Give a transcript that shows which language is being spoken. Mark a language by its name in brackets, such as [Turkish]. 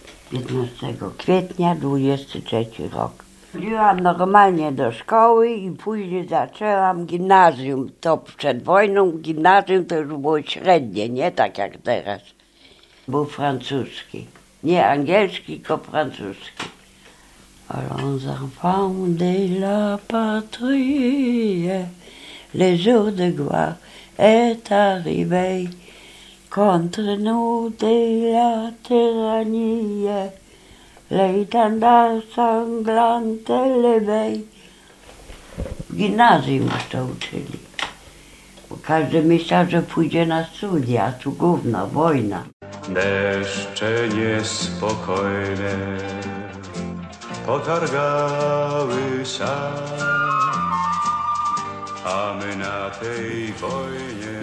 [Polish] 15 kwietnia, 23 rok. Chodziłam normalnie do szkoły i później zaczęłam gimnazjum. To przed wojną gimnazjum to już było średnie, nie tak jak teraz. Był francuski. Nie angielski, tylko francuski. [French] Allons enfants de la patrie, le jour de gloire est arrivé. Contre nous de la tyrannie. L'étendard sanglant élevé. [Polish] W gimnazjum już to uczyli. Bo każdy myślał, że pójdzie na studia, a tu gówno, wojna. Deszcze niespokojne potargały sad, a my na tej wojnie...